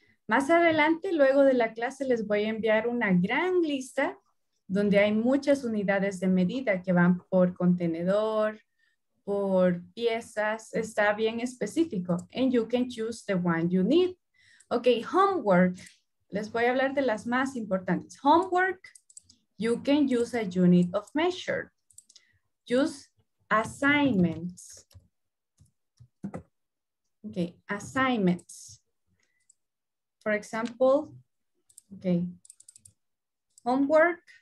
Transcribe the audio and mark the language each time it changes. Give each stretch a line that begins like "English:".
Spanish: Más adelante, luego de la clase, les voy a enviar una gran lista donde hay muchas unidades de medida que van por contenedor, por piezas. Está bien específico.
English: And you can choose the one you need. Okay, homework.
Spanish: Les voy a hablar de las más importantes.
English: Homework, you can use a unit of measure. Use assignments. Okay, assignments. For example, okay. Homework.